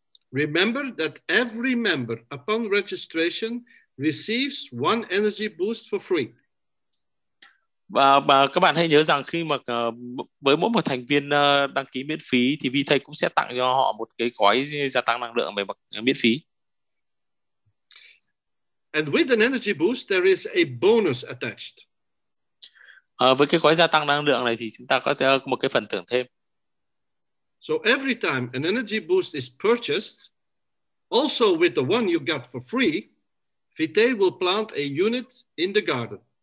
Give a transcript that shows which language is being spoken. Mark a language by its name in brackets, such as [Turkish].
[English] Remember that every member upon registration receives one energy boost for free. [Vietnamese] Và các bạn hãy nhớ rằng khi mà với mỗi một thành viên đăng ký miễn phí thì Vitae cũng sẽ tặng cho họ một cái gói gia tăng năng lượng về miễn phí. [English] And with an energy boost there is a bonus attached. [Vietnamese] Với cái gói gia tăng năng lượng này thì chúng ta có một cái phần thưởng thêm. [English] So every time an energy boost is purchased, also with the one you got for free, Vitae will plant a unit in the garden.